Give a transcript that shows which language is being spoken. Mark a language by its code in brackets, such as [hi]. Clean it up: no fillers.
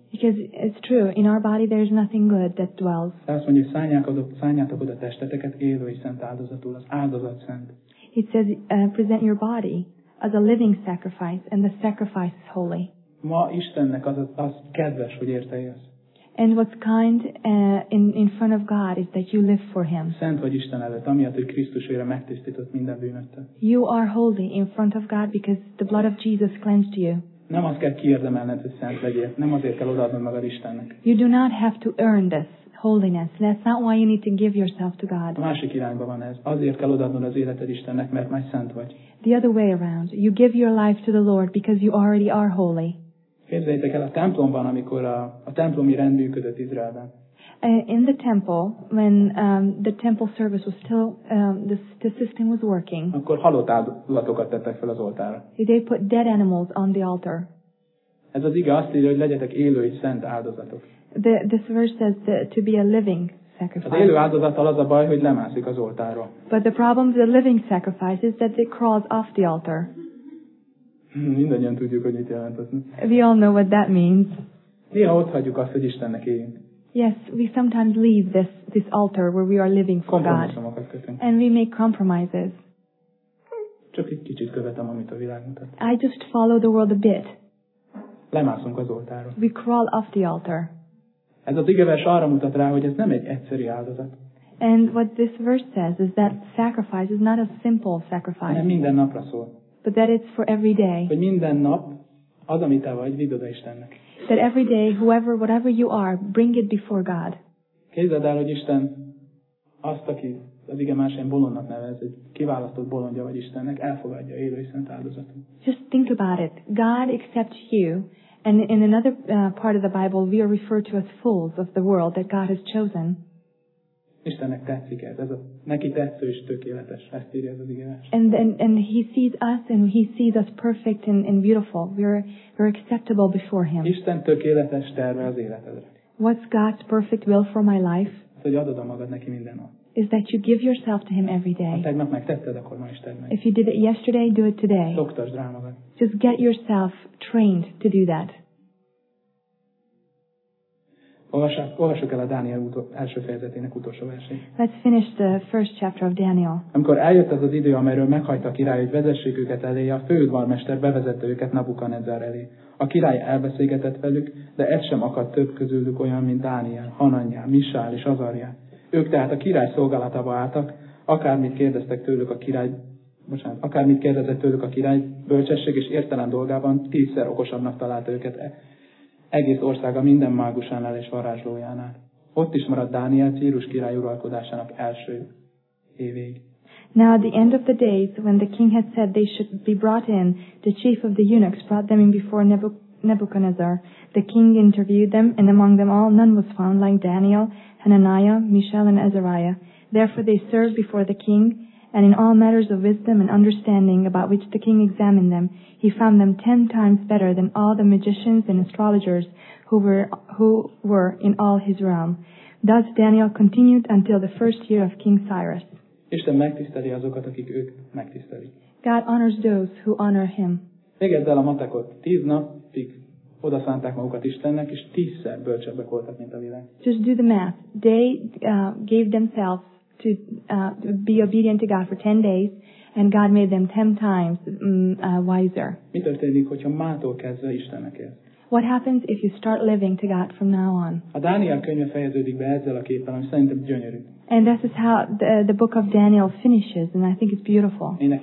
[en] Because it's true, in our body there's nothing good that dwells. [hu] De azt mondja, szálljátok oda testeteket élő és szent áldozatul, az áldozat szent. [en] It says present your body as a living sacrifice and the sacrifice is holy. [hu] Ma Istennek az kedves, hogy érte jössz. [en] And what's kind in front of God is that you live for Him. [hu] Szent vagy Isten előtt, amiatt, hogy Krisztus vére megtisztított minden bűnöttől. [en] You are holy in front of God because the blood of Jesus cleansed you. [hu] Nem azt kell kiérdemelned, hogy szent legyél. Nem azért kell odaadnod magad Istennek. [en] You do not have to earn this holiness. That's not why you need to give yourself to God. [hu] A másik irányban van ez. Azért kell odaadnod az életed Istennek, mert már szent vagy. [en] The other way around. You give your life to the Lord because you already are holy. [hu] Képzeljétek el a templomban, amikor a templomi rend működött Izraelben. [en] In the temple, when the temple service was still, the system was working. [hu] Akkor halott állatokat tettek fel az oltára. [en] They put dead animals on the altar. [hu] Ez az ige azt írja, hogy legyetek élő és szent áldozatok. [en] This verse says that to be a living sacrifice. [hu] Az élő áldozattal az a baj, hogy lemászik az oltáról. [en] But the problem with the living sacrifice is that it crawls off the altar. [hu] Mindannyian tudjuk, hogy mit jelent az. [en] We all know what that means. [hu] Néha ott hagyjuk azt, hogy Istennek éljünk. [en] Yes, we sometimes leave this altar where we are living for God. And we make compromises. [hu] Csak egy kicsit követem, amit a világ mutat. [en] I just follow the world a bit. [hu] Lemászunk az oltáról. [en] We crawl off the altar. [hu] Ez az igevers arra mutat rá, hogy ez nem egy egyszerű áldozat. [en] And what this verse says is that sacrifice is not a simple sacrifice. [hu] Hanem minden napra szól. [en] But that it's for every day. [hu] Hogy minden nap az, amit te vagy, vidd oda Istennek. [en] That every day, whoever, whatever you are, bring it before God. [hu] Képzeld el, hogy Isten azt, aki az ige másén bolondnak nevez, egy kiválasztott bolondja vagy Istennek, elfogadja élő és szent áldozatot. [en] Just think about it. God accepts you, and in another part of the Bible, we are referred to as fools of the world that God has chosen. [hu] Istennek tetszik ez. Ez a neki tetsző és tökéletes. Ezt írja ez az igevers. [en] And he sees us and he sees us perfect and beautiful. We're acceptable before him. [hu] Isten tökéletes terve az életedre. [en] What's God's perfect will for my life? [hu] Az, hogy adod a magad neki minden nap. [en] Is that you give yourself to him every day. [hu] Ha tegnap megtetted, akkor ma is tedd meg. [en] If you did it yesterday, do it today. [hu] Szoktasd rá magad. [en] Just get yourself trained to do that. [hu] Olvassuk el a Dániel első fejezetének utolsó versét. [en] Let's finish the first chapter of Daniel. [hu] Amikor eljött az idő, amelyről meghagyta a király, hogy vezessék őket elé, a főudvarmester bevezette őket Nabukadnezar elé. A király elbeszélgetett velük, de ez sem akadt több közülük olyan, mint Dániel, Hananyá, Misál és Azarjá. Ők tehát a király szolgálatába álltak, akármit kérdezett tőlük a király, bölcsesség és értelem dolgában tízszer okosabbnak találta őket egész országa minden mágusánál és varázslójánál. Ott is maradt Dániel Círus király uralkodásának első évéig. [en] Now at the end of the days, when the king had said they should be brought in, the chief of the eunuchs brought them in before Nebuchadnezzar. The king interviewed them, and among them all none was found like Daniel, Hananiah, Mishael, and Azariah. Therefore they served before the king, and in all matters of wisdom and understanding about which the king examined them, he found them 10 times better than all the magicians and astrologers who were in all his realm. Thus Daniel continued until the first year of King Cyrus. [hu] Isten megtiszteli azokat, akik őt megtisztelik. [en] God honors those who honor him. [hu] Végezd el a matekot. 10 napig oda szánták magukat Istennek, és 10-szer bölcsebbek voltak, mint a világ. [en] Just do the math. They gave themselves to be obedient to God for 10 days, and God made them 10 times wiser. [hu] Mi történik, hogyha mától kezdve Istennek élsz? [en] What happens if you start living to God from now on? [hu] A Dániel könyve fejeződik be ezzel a képpel, ami szerintem gyönyörű. [en] And this is how the book of Daniel finishes, and I think it's beautiful.